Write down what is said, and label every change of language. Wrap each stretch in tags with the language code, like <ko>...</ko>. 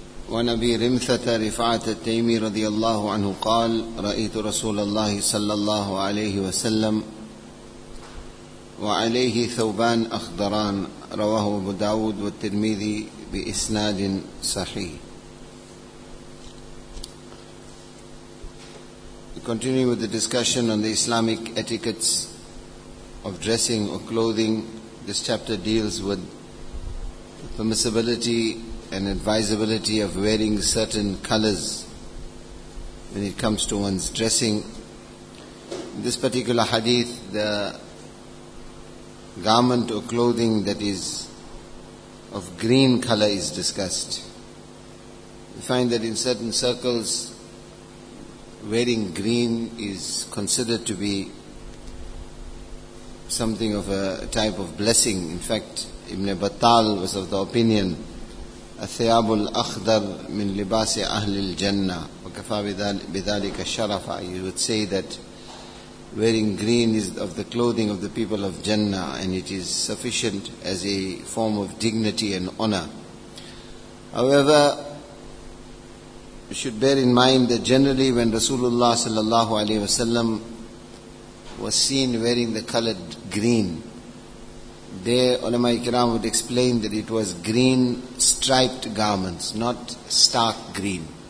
<ar>وعن أبي رمثة رفعة التيمي رضي الله عنه قال: رأيت رسول الله صلى الله عليه وسلم وعليه ثوبان أخضران، رواه أبو داود والترمذي بإسناد صحيح.</ar> <en>Continuing with the discussion on the Islamic etiquettes of dressing or clothing, this chapter deals with the permissibility and advisability of wearing certain colors when it comes to one's dressing. In this particular hadith, the garment or clothing that is of green color is discussed. We find that in certain circles, wearing green is considered to be something of a type of blessing. In fact, Ibn Battal was of the opinion,</en> <ar>الثياب الأخضر من لباس أهل الجنة وكفى بذلك الشرفة.</ar> <en>You would say that wearing green is of the clothing of the people of Jannah, and it is sufficient as a form of dignity and honor. However, you should bear in mind that generally when Rasulullah sallallahu alayhi wa sallam was seen wearing the colored green, there ulama ikram would explain that it was green striped garments, not stark green.</en>